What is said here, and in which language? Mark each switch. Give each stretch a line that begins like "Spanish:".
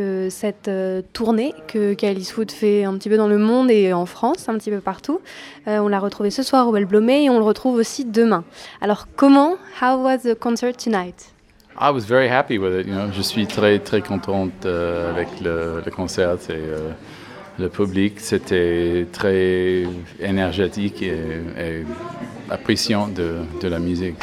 French: Cette tournée que Cal Eastwood fait un petit peu dans le monde et en France, un petit peu partout, on l'a retrouvé ce soir au Bal Blomet et on le retrouve aussi demain. Alors comment,
English: how was the concert tonight? I was very happy with it, you know.
French: Je suis très très contente avec le concert et... Le public, c'était très énergétique et appréciant de la musique.